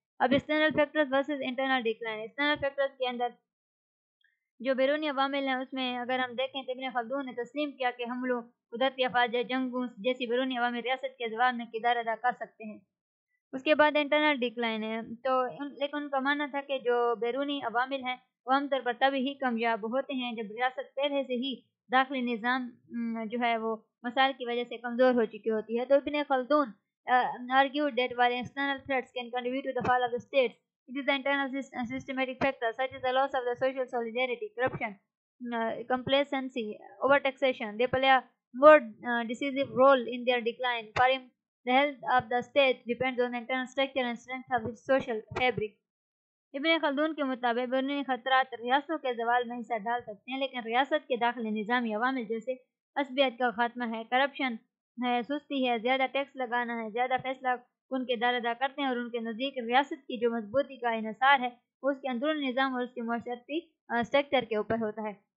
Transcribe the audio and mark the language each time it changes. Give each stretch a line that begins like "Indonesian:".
Urdu: اب
English: external factors versus internal decline,
Urdu: external factors کے اندر جو بیرونی عوامل ہیں اس میں اگر ہم دیکھیں تو ابن خلدون نے تسلیم کیا کہ حملوں, قدرتی آفات, جنگوں جیسی بیرونی عوامل ریاست کے زوال میں کردار ادا کر سکتے ہیں. اس کے بعد انٹرنل ڈیکلائن ہے, تو لیکن ان کا ماننا تھا کہ جو بیرونی عوامل ہیں وہ عام طور پر تبھی ہی کامیاب ہوتے ہیں جب ریاست پہلے سے ہی داخلی نظام جو ہے وہ مسائل کی وجہ سے کمزور ہو چکی ہوتی ہے.
English: تو Ibn Khaldun argued that while external threats can contribute to the fall of the states, it is the internal systematic factors such as the loss of the social solidarity, corruption, complacency, overtaxation, they play a more decisive role in their decline. For him, the health of the state depends on the internal structure and strength of its social fabric.
Urdu: ابن خلدون کے مطابق بیرونی خطرات ریاستوں کے زوال میں حصہ ڈال سکتے ہیں, لیکن ریاست کے داخلی نظامی عوامل جیسے عصبیت کا خاتمہ ہے, کرپشن ہے, سستی ہے, زیادہ ٹیکس لگانا ہے, زیادہ فیصلہ کن کردار ادا کرتے ہیں, اور ان کے نزدیک ریاست کی جو مضبوطی کا انحصار ہے وہ اس کے اندرونی نظام اور اس کے معاشرتی سٹرکچر کے اوپر ہوتا ہے.